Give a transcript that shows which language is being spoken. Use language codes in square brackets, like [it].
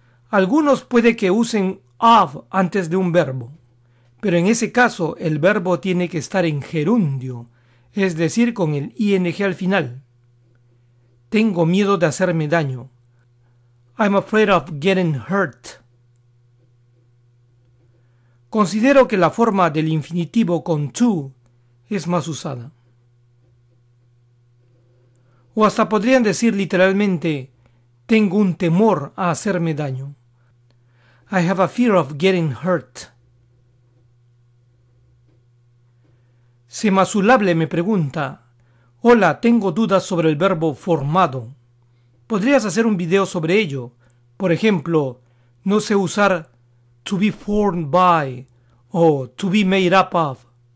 [es] Algunos puede que usen of antes de un verbo, pero en ese caso el verbo tiene que estar en gerundio, es decir, con el ing al final. Tengo miedo de hacerme daño. [en] I'm afraid of getting hurt. [es] Considero que la forma del infinitivo con to es más usada. O hasta podrían decir literalmente, tengo un temor a hacerme daño. [en] I have a fear of getting hurt. [es] Semazulable me pregunta, hola, tengo dudas sobre el verbo formado. ¿Podrías hacer un video sobre ello? Por ejemplo, no sé usar [en] to be formed by [es] o [en] to be made up of.